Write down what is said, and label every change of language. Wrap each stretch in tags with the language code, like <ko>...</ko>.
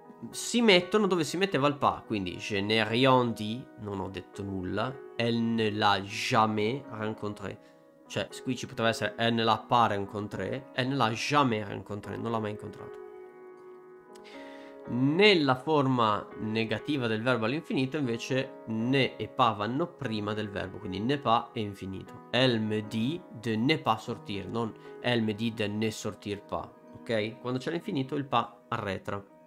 <it>si mettono dove si metteva il pas, quindi</it> <fr>je n'ai rien dit,</fr> <it>non ho detto nulla,</it> <fr>elle ne l'a jamais rencontré,</fr> <it>cioè qui ci poteva essere</it> <fr>elle ne l'a pas rencontré,</fr> <it>elle ne l'a jamais rencontré, non l'ha mai incontrato. Nella forma negativa del verbo all'infinito invece ne e pas vanno prima del verbo, quindi ne pas è infinito.</it> <fr>Elle me dit de ne pas sortir,</fr> <it>non</it> <fr>elle me dit de ne sortir pas, ok?</fr> <it>Quando c'è l'infinito il pas arretra.</it>